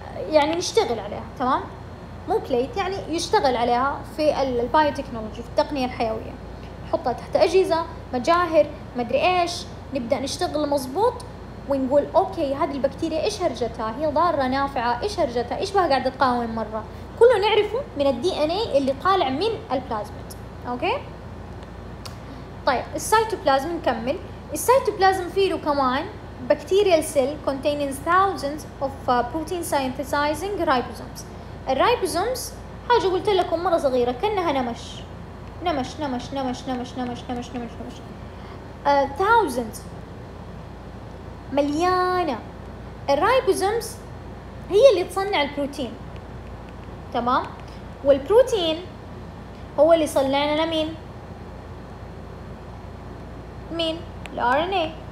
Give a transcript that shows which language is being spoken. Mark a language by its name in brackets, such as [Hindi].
[Arabic] يعني نشتغل عليها، تمام؟ مو بليت يعني يشتغل عليها في البايوتكنولوجي، في التقنية الحيوية، نحطها تحت أجهزة، مجاهر، مدري إيش، نبدأ نشتغل مظبوط ونقول أوكي هذه البكتيريا إيش هرجتها؟ هي ضارة نافعة؟ إيش هرجتها؟ إيش بها قاعدة تقاوم مرة؟ كله نعرفه من الدي إن إيه اللي طالع من البلازمت، أوكي؟ طيب السيتوبلازم، نكمل. السيتوبلازم فيه له كمان [English] bacterial cell containing thousands of protein synthesizing ribosomes. [Arabic] الرايبوزومز حاجة قلت لكم مرة صغيرة كأنها نمش نمش نمش نمش نمش نمش نمش نمش نمش thousands مليانة. الرايبوزومز هي اللي تصنع البروتين، تمام؟ والبروتين هو اللي صنع لنا مين الـ RNA.